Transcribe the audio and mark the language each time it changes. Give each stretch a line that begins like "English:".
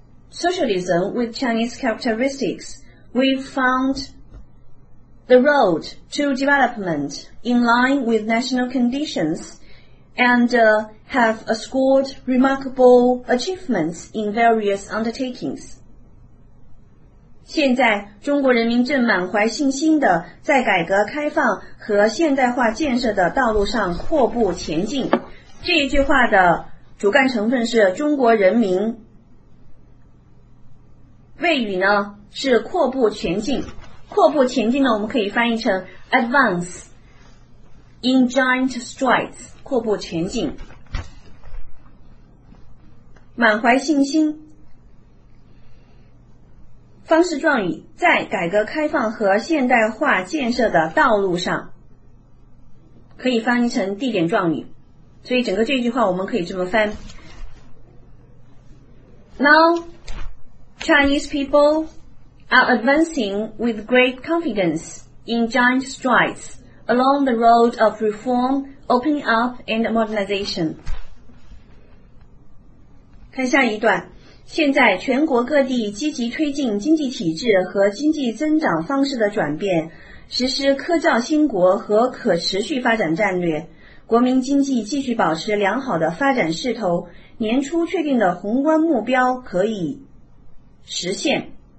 English: socialism with Chinese characteristics, we found the road to development in line with national conditions and have scored remarkable achievements in various undertakings.
Chinese: 现在中国人民正满怀信心地在改革开放和现代化建设的道路上阔步前进。这一句话的主干成分是中国人民，谓语呢是阔步前进。阔步前进呢我们可以翻译成
English: advance in giant strides，
Chinese: 阔步前进，满怀信心，方式状语，在改革开放和现代化建设的道路上，可以翻译成地点状语。所以整个这句话我们可以这么翻，
English: Now Chinese people are advancing with great confidence in giant strides along the road of reform, opening up and modernization。
Chinese: 看下一段，现在全国各地积极推进经济体制和经济增长方式的转变，实施科教兴国和可持续发展战略，国民经济继续保持良好的发展势头，年初确定的宏观目标可以实现。